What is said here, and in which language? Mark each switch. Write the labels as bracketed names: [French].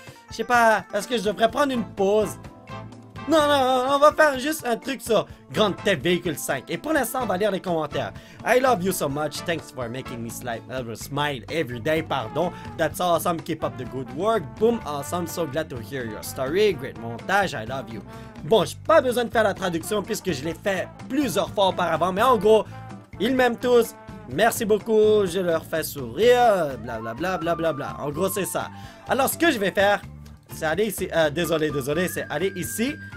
[French] Je sais pas, est-ce que je devrais prendre une pause? Non, non, on va faire juste un truc sur Grand Theft Vehicle 5. Et pour l'instant, on va lire les commentaires. [English] I love you so much. Thanks for making me smile every day. Pardon. That's awesome. Keep up the good work. Boom. Awesome. So glad to hear your story. Great montage. I love you. [French] Bon, j'ai pas besoin de faire la traduction puisque je l'ai fait plusieurs fois auparavant. Mais en gros, ils m'aiment tous. Merci beaucoup. Je leur fais sourire. Blablabla. Bla, bla, bla, bla. En gros, c'est ça. Alors, ce que je vais faire... C'est aller ici, désolé, c'est aller ici.